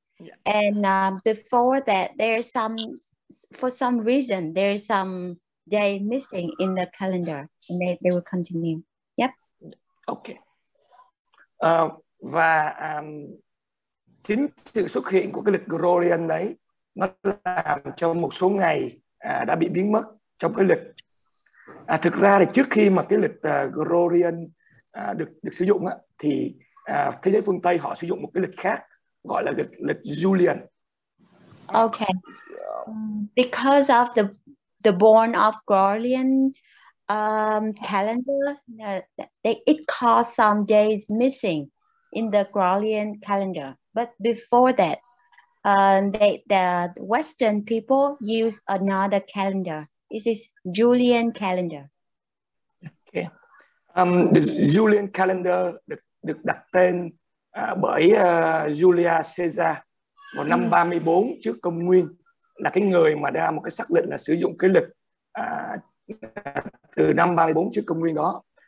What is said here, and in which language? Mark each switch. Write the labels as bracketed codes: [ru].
[en] Yeah. And before that, there's some day missing in the calendar. And they will continue. Yep. Okay. [vi] Và chính sự xuất hiện của cái lịch Gregorian đấy nó làm cho một số ngày đã bị biến mất trong cái lịch. Thực ra thì trước khi mà cái lịch Gregorian được sử dụng á, thì thế giới phương Tây họ sử dụng một cái lịch khác gọi là lịch Julian. [en] Okay. Because of the born of Gregorian calendar, it caused some days missing in the Gregorian calendar. But before that, the Western people use another calendar. This is Julian calendar. Okay. [vi] The Julian calendar được đặt tên bởi Julius Caesar vào năm 34 trước Công nguyên, là cái người mà đã một cái xác lệnh là sử dụng cái lịch từ năm 34 trước Công nguyên đó.